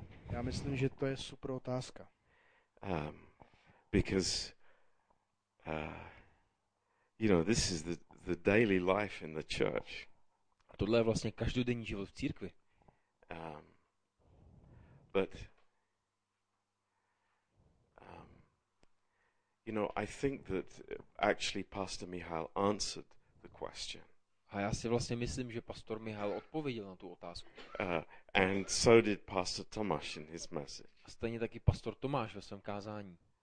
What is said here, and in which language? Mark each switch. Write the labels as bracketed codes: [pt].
[cs] Já myslím, že to je super otázka. [en] Because you know, this is the daily life in the church. [cs] Tohle je vlastně každodenní život v církvi. [en] But you know, I think that actually Pastor Michal answered the question. [cs] A já si vlastně myslím, že Pastor Michal odpověděl na tu otázku. [en] And so did Pastor Tomáš in his message. [cs] A stejně taky Pastor Tomáš ve svém kázání.